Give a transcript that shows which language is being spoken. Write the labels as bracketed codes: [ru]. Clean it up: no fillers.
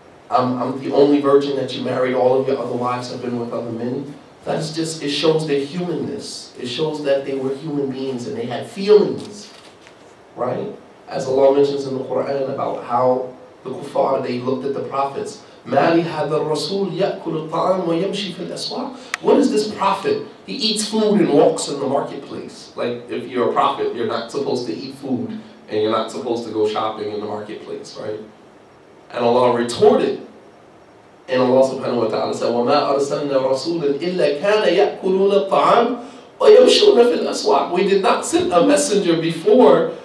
[en] I'm the only virgin that you married. All of your other wives have been with other men. That's just, it shows their humanness. It shows that they were human beings and they had feelings. Right? As Allah mentions in the Quran about how the kuffar, they looked at the prophets. [ar] مَالِ هَذَا الرَّسُولِ يَأْكُلُ الطَّعَامُ وَيَمْشِي فِي الْأَسْوَاقِ [en] What is this prophet? He eats food and walks in the marketplace. Like, if you're a prophet, you're not supposed to eat food and you're not supposed to go shopping in the marketplace, right? And Allah retorted, and Allah subhanahu wa ta'ala said, [ar] وَمَا أَرْسَلْنَا رَسُولًا إِلَّا كَانَ يَأْكُلُونَ الطَّعَامُ وَيَمْشُونَ فِي الْأَسْوَاقِ [en] We did not send a messenger before